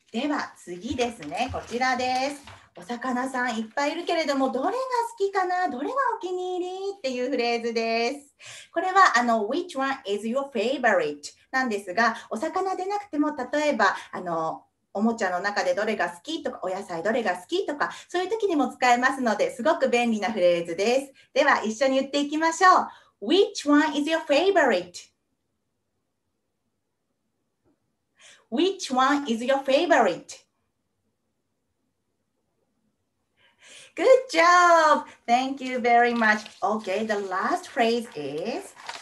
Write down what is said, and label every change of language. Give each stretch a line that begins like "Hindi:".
Japanese: では次ですね、こちらです。お魚さんいっぱいいるけれども、どれが好きかな、どれがお気に入りっていうフレーズです。これは
English: Which one is your favorite?
Japanese: なんですが、お魚でなくても、例えばおもちゃの中でどれが好きとか、お野菜どれが好きとか、そういう時にも使えますので、すごく便利なフレーズです。では一緒に言っていきましょう。
English: Which one is your favorite? Which one is your favorite? Good job! Thank you very much. Okay, the last phrase is...